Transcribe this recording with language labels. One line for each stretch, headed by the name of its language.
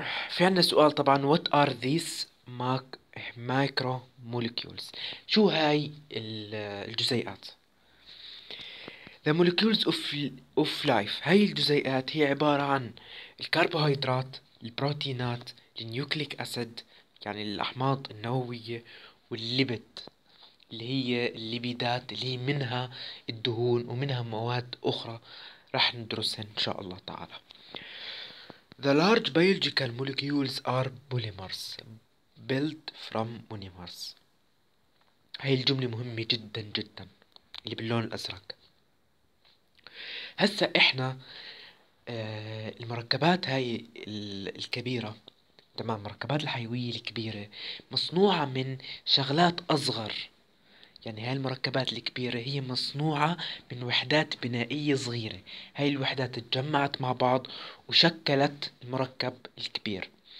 Arabic: في عنا سؤال طبعا:
English: What are these micro molecules؟
Arabic: شو هاي الجزيئات؟
English: The molecules of life،
Arabic: هاي الجزيئات هي عبارة عن الكربوهيدرات، البروتينات، النيوكليك أسيد يعني الأحماض النووية، والليبيد اللي هي الليبيدات اللي منها الدهون ومنها مواد أخرى رح ندرسها إن شاء الله تعالى.
English: The large biological molecules are polymers built from monomers.
Arabic: هاي الجملة مهمة جدا جدا اللي باللون الأزرق. هسا احنا المركبات هاي الكبيرة، تمام، المركبات الحيوية الكبيرة مصنوعة من شغلات اصغر، يعني هاي المركبات الكبيرة هي مصنوعة من وحدات بنائية صغيرة، هاي الوحدات اتجمعت مع بعض وشكلت المركب الكبير.